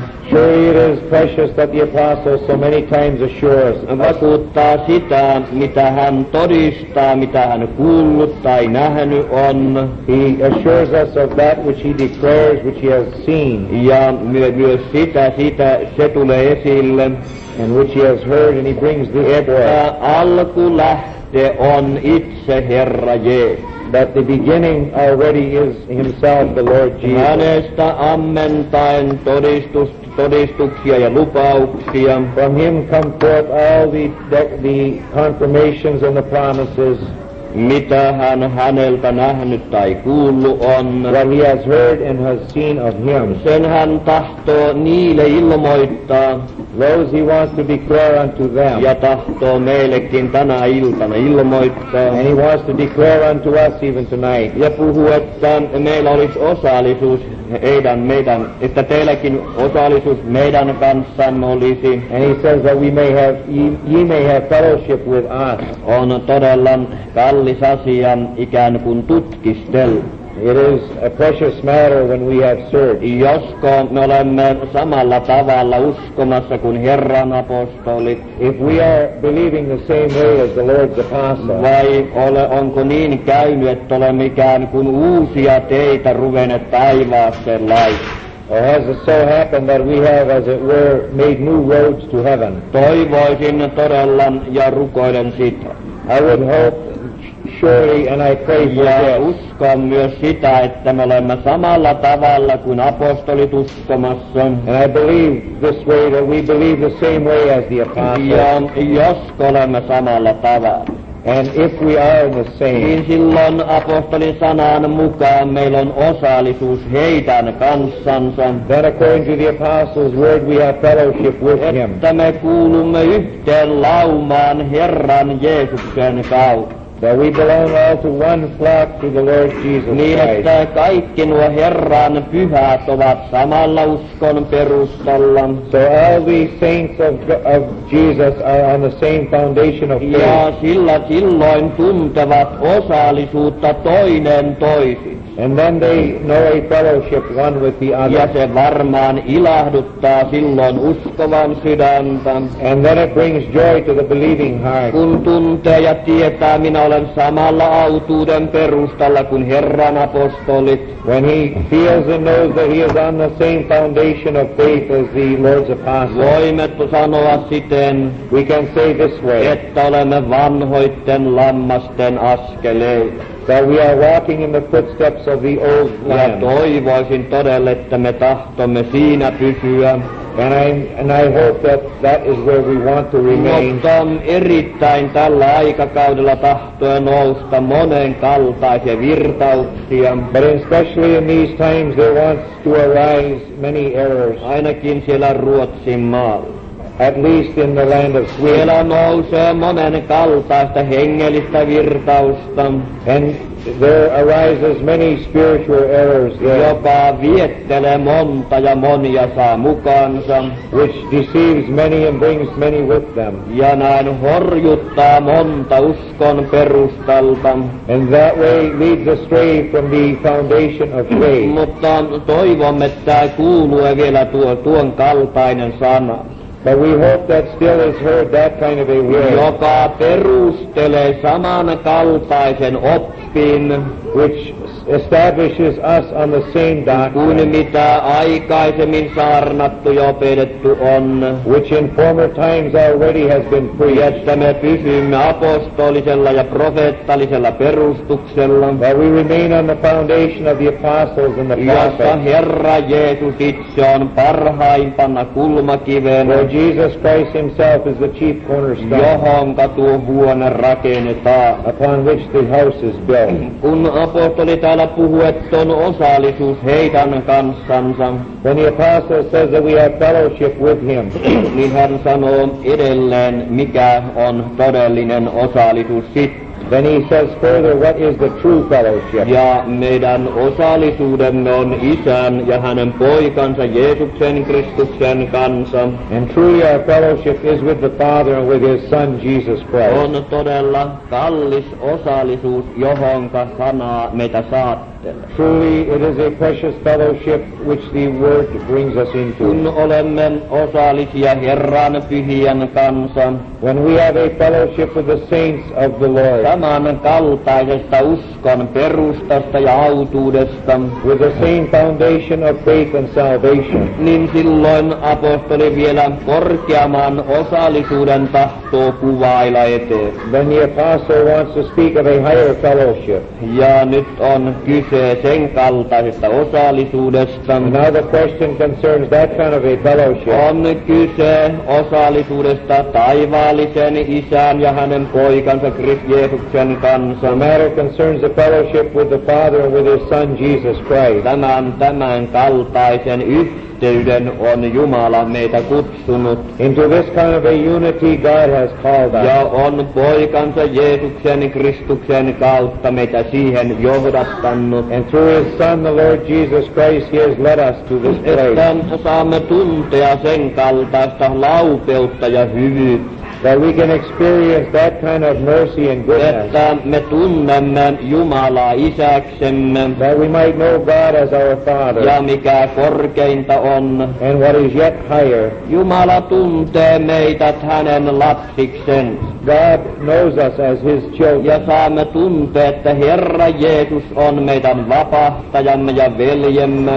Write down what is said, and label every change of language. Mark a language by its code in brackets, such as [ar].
[en] Surely it is precious that the apostle so many times assures us. [fi] Vakuuttaa sitä, mitä hän todistaa, mitä hän kuullut tai nähnyt on. [en] He assures us of that which he declares, which he has seen. [fi] Ja myös sitä se tulee esille. [en] And which he has heard, and he brings this forth. [fi] Alkulähte on itse Herra Jeesus. [en] That the beginning already is himself, the Lord Jesus. [fi] Hänestä ammentaen todistuksia ja lupauksia. [en] From him come forth all the confirmations and the promises. [fi] Mitä hän häneltä nähnyt tai kuullut on. [en] What he has heard and has seen of him. [fi] Sen hän tahtoo niille ilmoittaa. [en] Those he wants to declare unto them. [fi] Ja tahtoo meillekin tänä iltana ilmoittaa. [en] And he wants to declare unto us even tonight. [fi] Ja puhuu, että meillä olisi osallisuus meidän, että teilläkin osallisuus meidän kanssamme olisi. [en] And he says that ye may have fellowship with us. [fi] On todella kallis asia ikään kuin tutkistella. [en] It is a precious matter when we have served. [fi] Josko me olemme samalla tavalla uskomassa kuin Herran apostolit. [en] If we are believing the same way as the Lord's apostle. [fi] Vai onko niin käynyt, että olemme ikään kuin uusia teitä ruvenneet taivaaseen laittaa. [en] Or has it so happened that we have, as it were, made new roads to heaven? [fi] Toivoisin todella ja rukoilen sitä. [en] I would hope, surely, and I pray for [fi] ja [en] this. [fi] Uskon myös sitä, että me olemme samalla tavalla kuin apostolit uskomassa. [en] And I believe this way, that we believe the same way as the apostles. [fi] Ja josko olemme samalla tavalla. [en] And if we are in the same, [fi] niin silloin apostolin sanan mukaan meillä on osallisuus heidän kanssansa. [en] That according to the apostle's word we have fellowship with [fi] että [en] him. [fi] Että me kuulumme yhteen laumaan Herran Jeesuksen kautta. [en] That we belong all to one flock to the Lord Jesus Christ. [fi] Niin että kaikki nuo Herran pyhät ovat samalla uskon perustalla. [en] So all the saints of Jesus are on the same foundation of faith. [fi] Ja silloin tuntevat osallisuutta toinen toisin. [en] And then they know a fellowship one with the other. [fi] Ja se varmaan ilahduttaa silloin uskovan sydäntä. [en] And then it brings joy to the believing heart. [fi] Kun tuntee ja tietää, minä olen aivan samalla autuuden perustalla kuin Herran apostolit. [en] When he feels and knows that he is on the same foundation of faith as the Lord's apostles, [fi] voimme sanoa siten, [en] we can say this way, [fi] että olemme vanhoitten lammasten askeleet. [en] That we are walking in the footsteps of the old lamb. [fi] Ja toivoisin todella, että me tahtomme siinä pysyä. [en] And I hope that is where we want to remain. [fi] Mutta on erittäin tällä aikakaudella tahtoa nousta monen kaltaisia virtauksia. [en] But especially in these times there wants to arise many errors. [fi] Ainakin siellä Ruotsin maalla. [en] At least in the land of Sweden. [fi] Siellä nousee monen kaltaista hengellistä virtausta. [en] And there arises many spiritual errors there. [fi] Jopa viettelee monta ja monia saa mukaansa. [en] Which deceives many and brings many with them. [fi] Ja näin horjuttaa monta uskon perustalta. [en] And that way leads astray from the foundation of faith. [fi] Mutta toivomme, että tämä kuuluu vielä tuon kaltainen sana. [en] But we hope that still is heard that kind of a word. [fi] Joka perustelee samankaltaisen oppin, [en] which establishes us on the same doctrine, [fi] kuin mitä aikaisemmin saarnattu ja opetettu on, [en] which in former times already has been preached, [fi] että me pysymme apostolisella ja profeettallisella perustuksella, [en] that we remain on the foundation of the apostles and the prophets, [fi] jossa Herra Jeesus itse on parhaimpana kulmakivenä, [en] where Jesus Christ himself is the chief cornerstone, [fi] johonka tuo huone rakennetaan, [en] upon which the house is built. [fi] Kun apostolit täällä puhuet on osallisuus heidän kanssansa. [en] When the apostle says that we have fellowship with him, [fi] niin hän sanoo edelleen, mikä on todellinen osallisuus sitten. [en] Then he says further, what is the true fellowship? [fi] Ja meidän osallisuudemme on isän ja hänen poikansa Jeesuksen Kristuksen kanssa. [en] And truly our fellowship is with the Father and with his Son Jesus Christ. [fi] On todella kallis osallisuus, johonka sanaa meitä saattelee. [en] Truly it is a precious fellowship which the Word brings us into. [fi] Kun olemme osallisia Herran pyhien kanssa, [en] when we have a fellowship with the saints of the Lord, [fi] saman kaltaisesta uskon perustasta ja autuudesta, [en] with the same foundation of faith and salvation, [fi] niin silloin apostoli vielä korkeamman osallisuuden tahtoo kuvailla eteen. [en] Then the apostle wants to speak of a higher fellowship. [fi] Ja nyt on kyse sen kaltaisesta osallisuudesta. [en] Now the question concerns that kind of a fellowship. [fi] On kyse osallisuudesta taivaallisen isän ja hänen poikansa Jeesuksen kanssa. [en] The matter concerns the fellowship with the Father and with his Son Jesus Christ. [fi] Tämän kaltaisen yhteyden on Jumala meitä kutsunut. [en] Into this kind of a unity God has called us. [fi] Ja on poikansa Jeesuksen Kristuksen kautta meitä siihen johdattanut. [en] And through his Son, the Lord Jesus Christ, he has led us to this place. [fi] Että saamme tuntea sen kaltaista laupeutta ja hyvyyttä. [en] That we can experience that kind of mercy and goodness. [fi] Että me tunnemme Jumalaa isäksemme. [en] That we might know God as our Father. [fi] Ja mikä korkeinta on. [en] And what is yet higher. [fi] Jumala tuntee meitä hänen lapsiksen. [en] God knows us as his children. [fi] Ja saamme tuntea, että Herra Jeesus on meidän vapahtajamme ja veljemme.